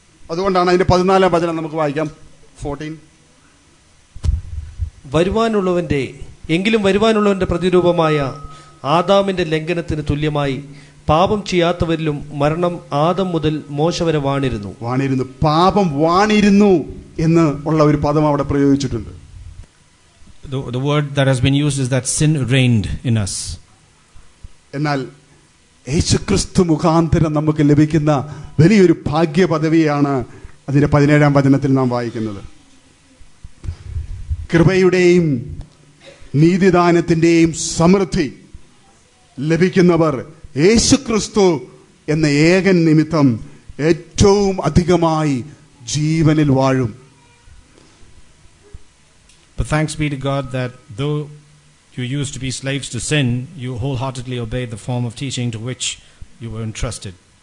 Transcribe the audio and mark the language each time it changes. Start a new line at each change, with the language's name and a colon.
Malayalam: അതുകൊണ്ടാണ് അതിന്റെ 14-ാം വചനം നമുക്ക് വായിക്കാം. 14. വരുവാനുള്ളവന്റെ, എങ്കിലും വരുവാനുള്ളവന്റെ പ്രതിരൂപമായ ആദാമിന്റെ ലംഘനത്തിന് തുല്യമായി പാപം ചെയ്യാത്തവരിലും മരണം ആദം മുതൽ മോശം വരെ വാണിരുന്നു. വാണിരുന്നു, പാപം വാണിരുന്നു എന്ന് ഉള്ള ഒരു പദം അവിടെ പ്രയോഗിച്ചിട്ടുണ്ട്.
English: The word that has been used is that sin reigned in us.
Malayalam: എന്നാൽ യേശുക്രിസ്തു മുഖാന്തരം നമുക്ക് ലഭിക്കുന്ന വലിയൊരു ഭാഗ്യ പദവിയാണ് അതിന്റെ 17-ാം വചനത്തിൽ നാം വായിക്കുന്നത്. കൃപയുടെയും നീതിദാനത്തിന്റെയും സമൃദ്ധി ലഭിക്കുന്നവർ യേശുക്രിസ്തു എന്ന ഏകൻ നിമിത്തം ഏറ്റവും അധികമായി ജീവനിൽ വാഴും.
English: But thanks be to God that though you used to be slaves to sin, you wholeheartedly obeyed the form of teaching to which you were entrusted.